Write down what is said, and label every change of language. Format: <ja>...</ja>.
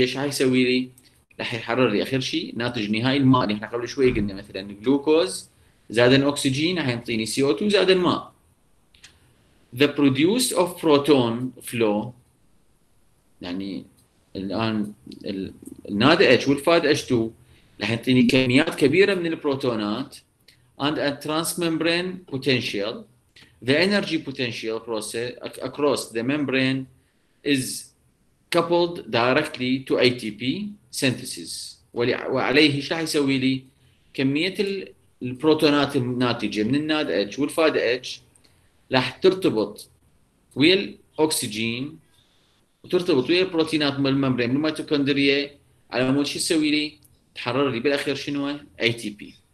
<ar>ايش راح يسوي لي؟ راح يحرر لي اخر شيء ناتج نهائي الماء اللي احنا قبل شوي قلنا، مثلا جلوكوز زاد الاكسجين راح يعطيني سي او 2 زاد الماء. The produce of proton flow، يعني الان الناد اتش والفاد اتش 2 راح يعطيني كميات كبيره من البروتونات and a transmembrane potential.</ar> <en>The energy potential process across the membrane is coupled directly to ATP synthesis.</en> <ar>وعليه ايش راح يسوي لي؟ كميه البروتونات الناتجه من الناد اتش والفاد اتش راح ترتبط ويا الاكسجين وترتبط ويا البروتينات من الممبرين من الميتوكوندريا، على مود ايش يسوي لي؟ تحرر لي بالاخير شنو؟ ATP.</ar>